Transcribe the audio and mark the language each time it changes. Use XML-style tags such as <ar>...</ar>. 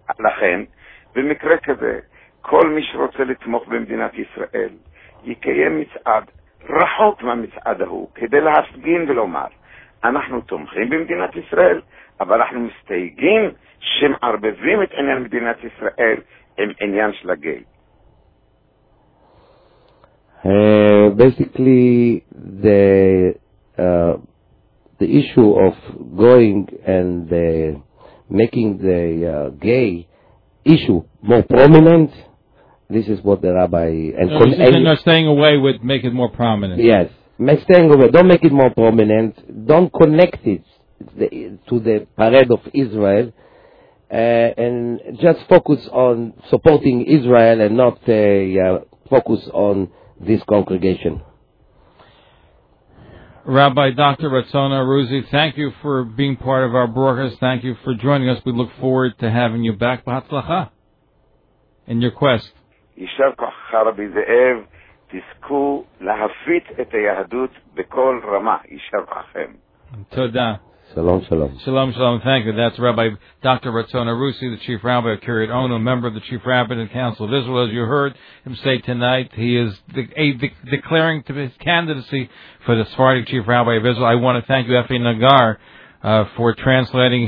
<he>לכן, במקרה כזה, כל מי שרוצה לתמוך במדינת ישראל יקיים מצעד רחוק מהמצעד ההוא, כדי להפגין ולומר, אנחנו תומכים במדינת ישראל, אבל אנחנו מסתייגים שמערבבים את עניין מדינת ישראל עם עניין של הגיי.</he> <en>Basically, the issue of going and making the gay issue more prominent, this is what the rabbi... Staying away with make it more prominent. Yes. Staying away. Don't make it more prominent. Don't connect it to the parade of Israel. And just focus on supporting Israel and not focus on this congregation. Rabbi Dr. Ratzon Aruzi, thank you for being part of our broadcast. Thank you for joining us. We look forward to having you back.</en> <he>Bahatzlacha.</he> <en>In your quest.</en> <he>יישר כוח רבי זאב, תזכו להפיץ את היהדות בכל רמה, יישר כוחכם. תודה. שלום שלום. שלום שלום,</he> <en>thank you. That's Rabbi Dr. Ratzon Aruzi, the Chief Rabbi of Kiryat Ono, member of the Chief Rabbinic Council of Israel. As you heard him say tonight, he is declaring to his candidacy for the Sephardic Chief Rabbi of Israel. I want to thank you, Effi Nagar, for translating.</en>